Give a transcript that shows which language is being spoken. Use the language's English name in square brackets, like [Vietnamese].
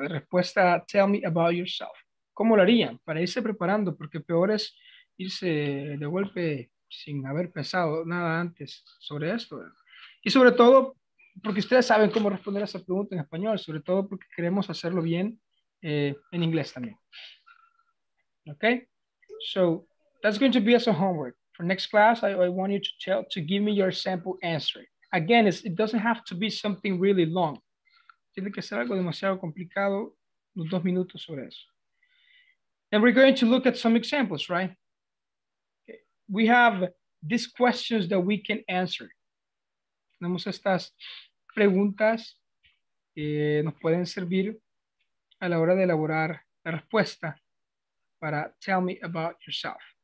[Spanish] De respuesta, [English] tell me about yourself. [Spanish] ¿Cómo lo harían? Para irse preparando, porque peor es irse de golpe sin haber pensado nada antes sobre esto, ¿verdad? Y sobre todo, porque ustedes saben cómo responder a esa pregunta en español, sobre todo porque queremos hacerlo bien en inglés también. Okay? [English] So, that's going to be as a homework. For next class, I want you to give me your sample answer. Again, it doesn't have to be something really long. [Spanish] Tiene que ser algo demasiado complicado, unos dos minutos sobre eso. [English] And we're going to look at some examples, right? Okay. We have these questions that we can answer. [Spanish] Tenemos estas preguntas que nos pueden servir a la hora de elaborar la respuesta para [English] tell me about yourself.